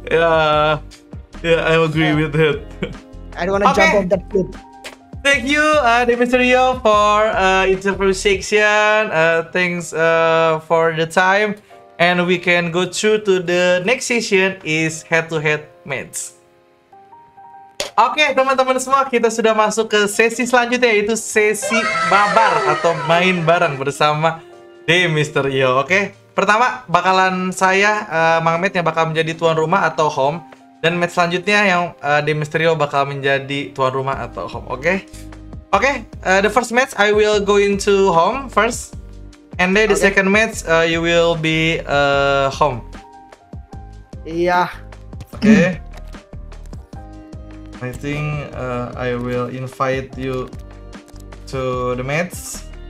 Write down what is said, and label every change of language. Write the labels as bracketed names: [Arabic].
[English] Yeah, I agree with that. I don't want to jump off that cliff. Thank you, Demetrio, for interview section. Thanks for the time. And we can go through to the next session is head-to-head match. [Indonesian] Oke, teman-teman semua, kita sudah masuk ke sesi selanjutnya, yaitu sesi babar atau main bareng bersama Demetrio. Oke, pertama bakalan saya Mang Met yang bakal menjadi tuan rumah atau home, dan match selanjutnya yang Demetrio bakal menjadi tuan rumah atau home. [English] Oke, the first match I will go into home first, and then the second match you will be home. [Indonesian] Iya. Oke. [English] I think I will invite you to the mats.